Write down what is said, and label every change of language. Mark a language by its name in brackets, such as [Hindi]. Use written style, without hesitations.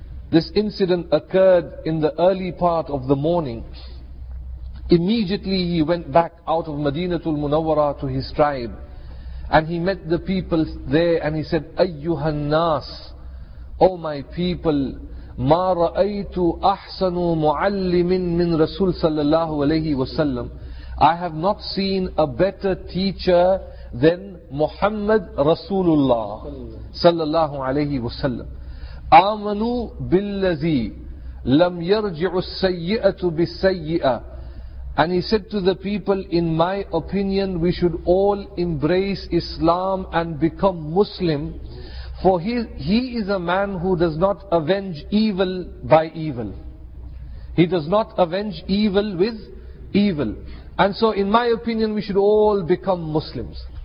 [English] This incident occurred in the early part of the morning. Immediately he went back out of Madinatul Munawwara to his tribe, and he met the people there and he said, [Arabic] Ayyuhannas, [English] O my people, [Arabic] ما رأيت أحسن معلم من رسول صلى الله عليه وسلم. [English] I have not seen a better teacher than Muhammad Rasulullah [Arabic] صلى الله عليه وسلم. آمنوا بالذي لم يرجع السيئة بالسيئة. [English] And he said to the people, in my opinion, we should all embrace Islam and become Muslim. For he is a man who does not avenge evil by evil. He does not avenge evil with evil. And so in my opinion, we should all become Muslims.